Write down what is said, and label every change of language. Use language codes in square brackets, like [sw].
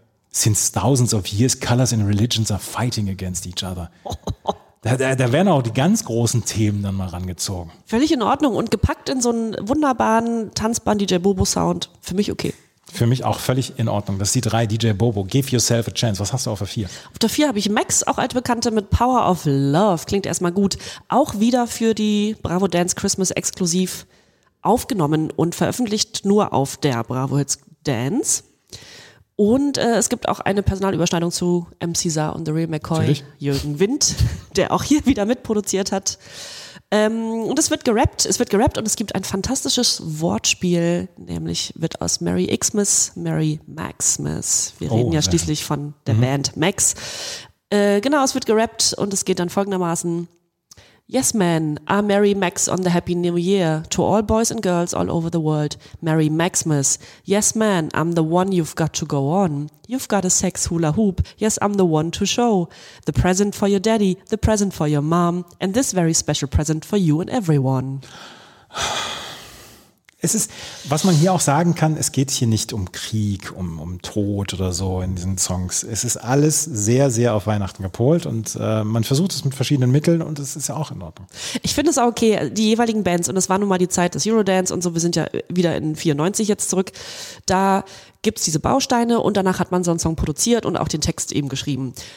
[en] Since thousands of years, colors and religions are fighting against each other. [de] Da werden auch die ganz großen Themen dann mal rangezogen. Völlig in Ordnung und gepackt in so einen wunderbaren, tanzbaren DJ Bobo Sound. Für mich okay. für mich auch völlig in Ordnung. Das ist die 3, DJ Bobo. Give yourself a chance. Was hast du auf der 4? Auf der 4 habe ich Max, auch Altbekannte, mit Power of Love. Klingt erstmal gut. Auch wieder für die Bravo Dance Christmas exklusiv aufgenommen und veröffentlicht nur auf der Bravo Hits Dance. Und es gibt auch eine Personalüberschneidung zu MC Saar und The Real McCoy, natürlich, Jürgen Wind, der auch hier wieder mitproduziert hat. Und es wird gerappt und es gibt ein fantastisches Wortspiel, nämlich wird aus Merry Xmas Merry Maxmas. Wir reden ja schließlich von der Band Max. Genau, es wird gerappt und es geht dann folgendermaßen. [en] Yes, man, a Merry Max on the Happy New Year to all boys and girls all over the world. Merry Maxmas. Yes, man, I'm the one you've got to go on. You've got a sex hula hoop. Yes, I'm the one to show. The present for your daddy, the present for your mom, and this very special present for you and everyone. [de] Es ist, was man hier auch sagen kann, es geht hier nicht um Krieg, um Tod oder so in diesen Songs. Es ist alles sehr, sehr auf Weihnachten gepolt und man versucht es mit verschiedenen Mitteln und es ist ja auch in Ordnung. Ich finde es auch okay, die jeweiligen Bands, und es war nun mal die Zeit des Eurodance und so, wir sind ja wieder in 94 jetzt zurück, da gibt es diese Bausteine und danach hat man so einen Song produziert und auch den Text eben geschrieben.